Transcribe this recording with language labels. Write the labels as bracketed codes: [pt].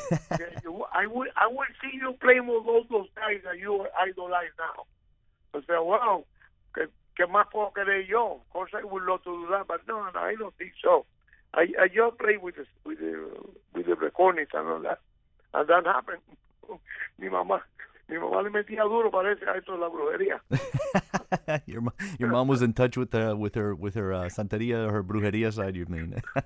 [en] I will see you playing with all those guys that you idolize now. I said, wow, [es] que más puedo querer yo? [en] Of course I would love to do that, but no, I don't think so. I just play with the recordings and all that. And that happened. [es] Mi mamá le metía duro, parece, a eso de la brujería. [en] Your mom was in touch with her santería, her brujería side, you mean.